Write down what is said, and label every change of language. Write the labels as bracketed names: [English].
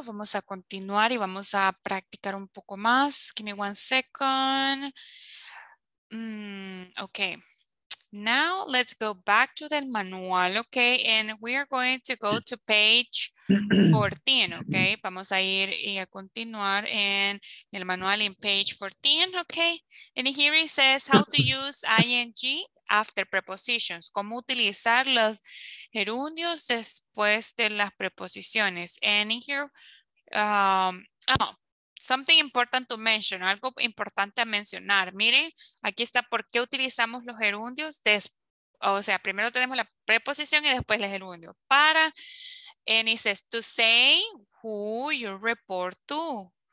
[Spanish] Vamos a continuar y vamos a practicar un poco más. [English] Give me one second. Okay. Now, let's go back to the manual, okay? And we are going to go to page 14, okay? [Spanish] Vamos a ir y a continuar en el manual [English] in page 14, [Spanish] okay? [English] And here it says how to use ing after prepositions. [Spanish] Cómo utilizar los gerundios después de las preposiciones. [English] And in here, something important to mention, [Spanish] algo importante a mencionar. Miren, aquí está por qué utilizamos los gerundios. O sea, primero tenemos la preposición y después el gerundio. [English] Para, and it says to say who you report to.